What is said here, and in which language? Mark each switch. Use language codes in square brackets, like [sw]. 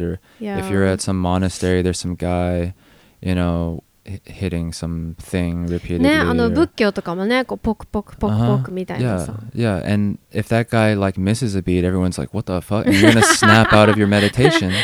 [en] Or if you're at some monastery, there's some guy, you know, hitting something repeatedly. [ja] ね、あの仏教とかもね、こうポクポクポクポクみたいなさ。 [en] Yeah, and if that guy like misses a beat, everyone's like, what the fuck? And you're gonna snap out of your meditation.